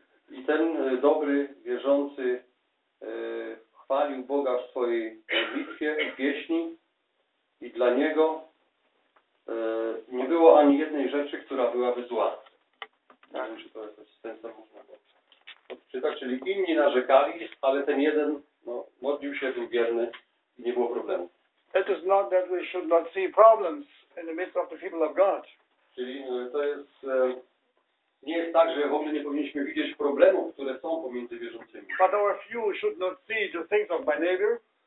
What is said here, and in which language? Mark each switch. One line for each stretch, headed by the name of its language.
Polish: I ten dobry, wierzący chwalił Boga w swojej modlitwie i pieśni. I dla niego nie było ani jednej rzeczy, która byłaby zła. Nie wiem, czy to jest sensem można odczytać. Czyli inni narzekali, ale ten jeden modlił się, był wierny i nie było problemu.
English: It is not that we should not see problems in the midst of the people of God.
Polish: Czyli to jest nie jest tak, że w ogóle nie powinniśmy widzieć problemów, które są pomiędzy wierzącymi.
English: But our few should not see the things of my neighbor.